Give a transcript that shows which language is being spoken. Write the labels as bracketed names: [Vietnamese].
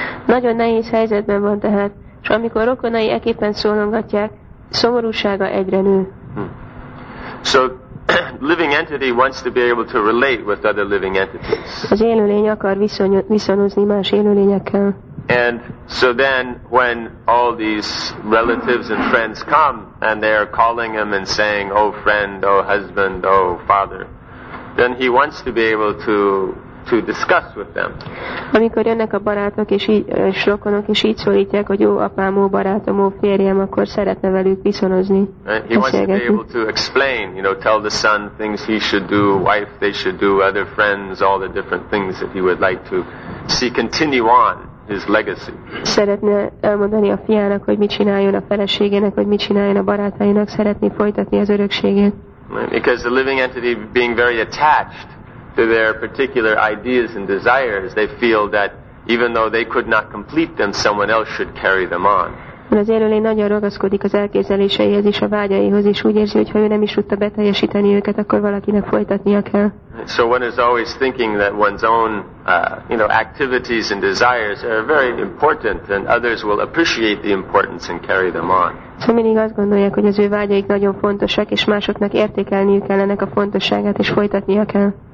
[Hungarian] Nagyon nehéz helyzetben van tehát, és amikor rokonai eképpen szólongatják, szomorúsága egyre nő. [English] So, living entity wants to be able to relate with other living entities. [Hungarian] Az élőlény akar viszonyozni más élőlényekkel. [English] And so then, when all these relatives and friends come, and they are calling him and saying, oh friend, oh husband, oh father, then he wants to be able to discuss with them. [Hungarian] Amikor jönnek a barátok és így, és rokonok és így szólítják, hogy ó apám, ó barátom, ó férjem, akkor szeretne velük viszonozni. [English] He wants to be able to explain, you know, tell the son things he should do, wife they should do, other friends, all the different things that he would like to see continue on. His legacy. [Hungarian] Szeretne elmondani a fiának, hogy mit csináljon a feleségének, hogy mit csináljon a barátainak, szeretné folytatni az örökségét. [English] Because the living entity being very attached to their particular ideas and desires, they feel that even though they could not complete them, someone else should carry them on. [Hungarian] Az élőlény nagyon ragaszkodik az elképzeléseihez és a vágyaihoz, és úgy érzi, hogy ha ő nem is tudta beteljesíteni őket, akkor valakinek folytatnia kell. [English] So one is always thinking that one's own, you know, activities and desires are very important, and others will appreciate the importance and carry them on. [Hungarian] So mindig azt gondolják, hogy az ő vágyaik nagyon fontosak, és másoknak értékelniük kell ennek a fontosságát, és folytatnia kell.